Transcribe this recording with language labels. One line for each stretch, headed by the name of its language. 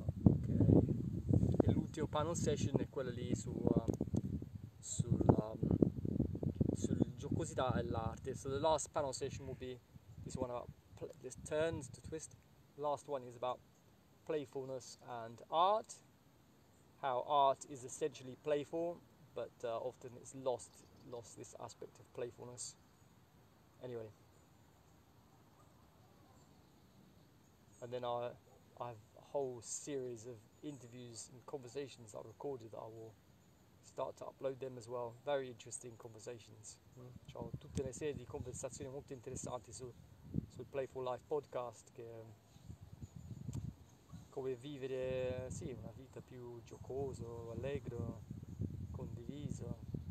Italian: Okay. E l'ultimo panel session è quella lì sulla giocosità e l'arte.
English: So the last panel session will be this one about this turns to twist. Last one is about playfulness and art. How art is essentially playful, but often it's lost this aspect of playfulness. Anyway, and then I have a whole series of interviews and conversations I recorded that I will start to upload them as well. Very interesting conversations.
Italian: C'ho tutta una serie di conversazioni molto interessanti sul Playful Life podcast che come vivere, sì, una vita più giocoso, allegro, condiviso.